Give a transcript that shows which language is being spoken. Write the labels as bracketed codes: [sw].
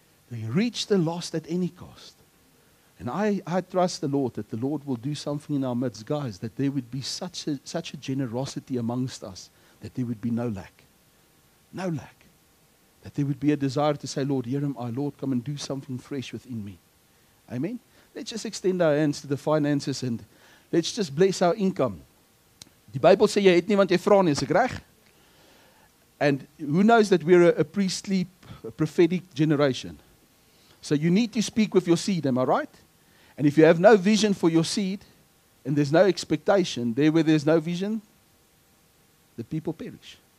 [en] They reach the lost at any cost. And I trust the Lord that the Lord will do something in our midst, guys, that there would be such a generosity amongst us that there would be no lack. No lack. That there would be a desire to say, Lord, here am I. Lord, come and do something fresh within me. Amen? Let's just extend our hands to the finances and let's just bless our income. The Bible says, [af] jy het nie want jy vra nie, is ek reg? [en] And who knows that we're a priestly, a prophetic generation. So you need to speak with your seed, am I right? And if you have no vision for your seed, and there's no expectation, there where there's no vision, the people perish.